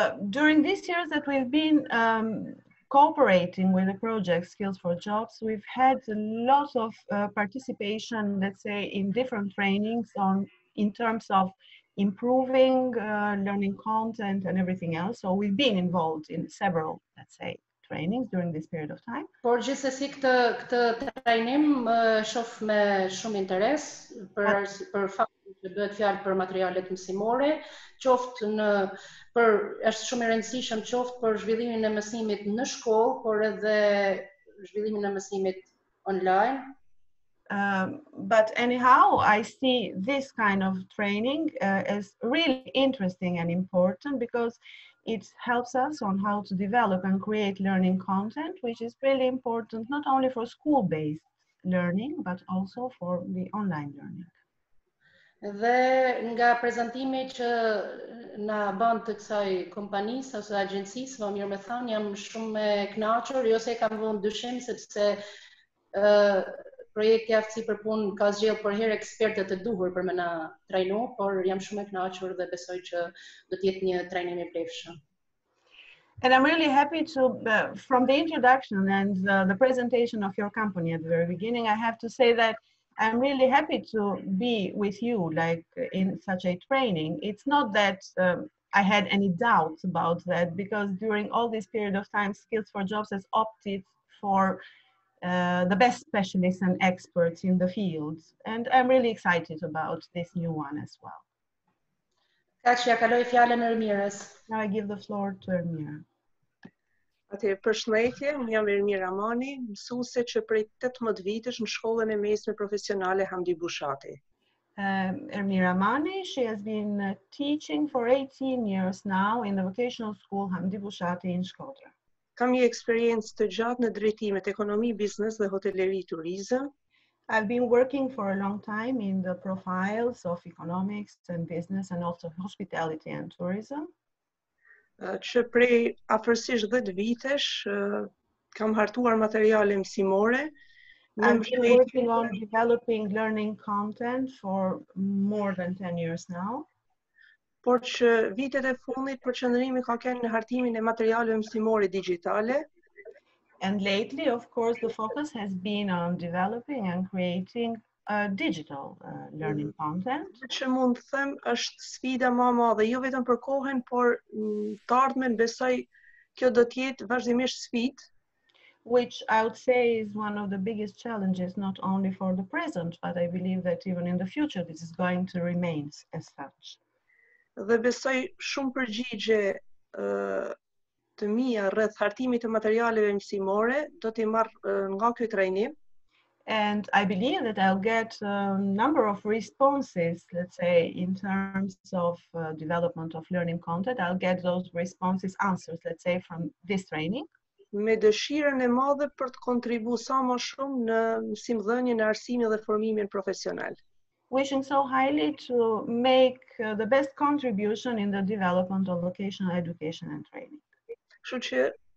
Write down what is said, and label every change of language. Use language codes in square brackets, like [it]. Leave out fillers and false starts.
[en] During these years that we've been cooperating with the project Skills4jobs, we've had a lot of participation, let's say, in different trainings on in terms of improving learning content and everything else. So we've been involved in several, let's say, trainings during this period of time. [sq] Por gjithsesi këtë trajnim shoh me shumë interes për faktin që bëhet fjalë për materialet mësimore, qoftë në për është shumë e rëndësishëm qoftë për zhvillimin e mësimit në shkollë, por edhe zhvillimin e mësimit online. [en] But anyhow, I see this kind of training as really interesting and important because it helps us on how to develop and create learning content, which is really important not only for school-based learning, but also for the online learning. [sq] Dhe nga prezantimi që na bën të kësaj kompanisë ose agjencisë, më mirë me thënë, jam shumë e kënaqur, jo se kam vënë dyshim, sepse projekti Aftësi për Punë ka zgjedhur për herë ekspertët të duhur për me na trajnu, por jam shumë e kënaqur dhe besoj që do të jetë një trajnim i vlefshëm. [en] And I'm really happy to, from the introduction and the presentation of your company at the very beginning, I have to say that I'm really happy to be with you, like in such a training. It's not that I had any doubts about that, because during all this period of time, Skills4jobs has opted for the best specialists and experts in the field. And I'm really excited about this new one as well. Now I give the floor to Ermira. [sq] Atëherë, përshëndetje, unë jam Ermira Mani, mësuese që prej 18 vitesh në shkollën e mesme profesionale Hamdi Bushati. [en] Ermira Mani, she has been teaching for 18 years now in the vocational school Hamdi Bushati in Shkodra. [sq] Kam një eksperiencë të gjatë në drejtimet ekonomi, biznes dhe hoteleri, turizëm. [en] I've been working for a long time in the profiles of economics and business and also hospitality and tourism. [sq] Që prej afërsisht 10 vitesh kam hartuar materiale mësimore. [en] I've been working on developing learning content for more than 10 years now. [sq] Por që vitet e fundit përqendrimi ka qenë në hartimin e materialeve mësimore digjitale. [en] And lately, of course, the focus has been on developing and creating digital learning content. [sq] Që mund të them është sfida më e madhe, jo vetëm për kohën, por të ardhmen besoj kjo do të jetë vazhdimisht sfidë. [en] Which I would say is one of the biggest challenges, not only for the present, but I believe that even in the future this is going to remain as such. [sq] Dhe besoj shumë përgjigje të mia rreth hartimit të materialeve mësimore do t'i marr nga ky trajnim. [en] And I believe that I'll get a number of responses, let's say, in terms of development of learning content. I'll get those responses, answers, let's say, from this training. [sq] Me dëshirën e madhe për të kontribuar sa më shumë në mësimdhënien, arsimin dhe formimin profesional. [en] Wishing so highly to make the best contribution in the development of vocational education and training.